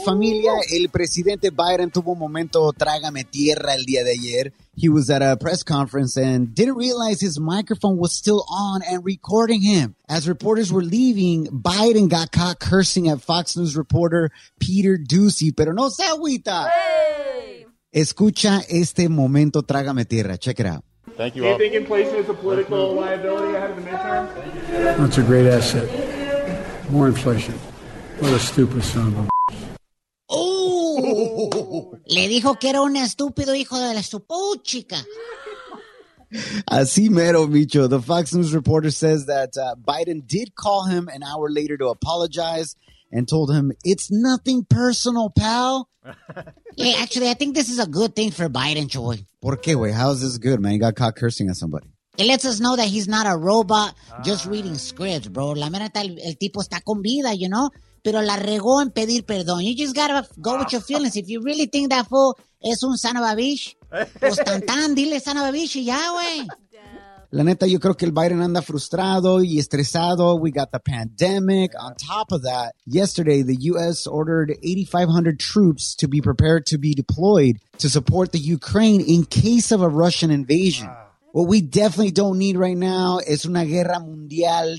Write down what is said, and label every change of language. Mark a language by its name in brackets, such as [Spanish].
[Spanish] Familia, el presidente Biden tuvo un momento trágame tierra el día de ayer. [English] He was at a press conference and didn't realize his microphone was still on and recording him. As reporters were leaving, Biden got caught cursing at Fox News reporter Peter Ducey. [Spanish] Pero no se agüita. Hey. Escucha este momento trágame tierra. [English] Check it out. Thank you all. Do you Think inflation is a political liability ahead of the midterm? That's a great asset. More inflation. What a stupid son of a Ooh! [Spanish] Le dijo que era un estúpido hijo de la estupuchica. Así mero, Micho. [English] The Fox News reporter says that Biden did call him an hour later to apologize and told him, it's nothing personal, pal. Hey, actually, I think this is a good thing for Biden, Choy. [Spanish] ¿Por qué, güey? [English] How is this good, man? He got caught cursing at somebody. It lets us know that he's not a robot just reading scripts, bro. [Spanish] La mera, el tipo está con vida, [English] you know? [Spanish] Pero la regó en pedir perdón. [English] You just gotta go with your feelings. If you really think that fool [Spanish] es un [English] son of a bitch, [Spanish] pues tan, dile [English] son of a bitch [Spanish] y ya, güey. La neta, yo creo que el Biden anda frustrado y estresado. [English] We got the pandemic. On top of that, yesterday, the U.S. ordered 8,500 troops to be prepared to be deployed to support the Ukraine in case of a Russian invasion. What we definitely don't need right now is [Spanish] una guerra mundial.